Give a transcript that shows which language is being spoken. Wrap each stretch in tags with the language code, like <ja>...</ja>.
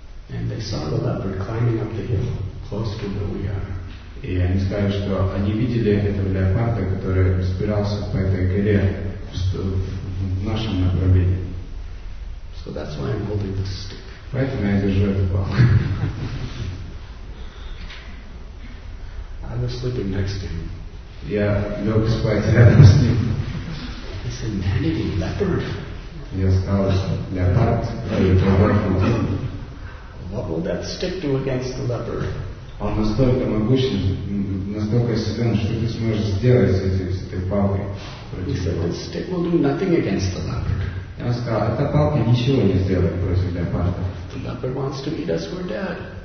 <en>And they saw the leopard climbing up the hill, close to where we are.</en> <ru>И они сказали, что они видели этого леопарда, который взбирался по этой горе в нашем направлении.</ru> <en>So that's why I'm holding this stick.</en> <ru>Поэтому я держу эту палку.</ru> <en>I was sleeping next to him.</en> <ru>Я лег спать рядом с ним.</ru> <en>He said, "Nanny, leopard."</en> <ru>Я сказал, что леопард, который проворкнул.</ru> <en>What will that stick do against the leper?</en> <ru>Он настолько могучен, настолько силен, что ты сможешь сделать с этой палкой.</ru> <en>He said, "This stick will do nothing against the leper."</en> <ru>Я сказал, эта палка ничего не сделает против леопарда.</ru> <en>The leper wants to eat us, we're dead.</en>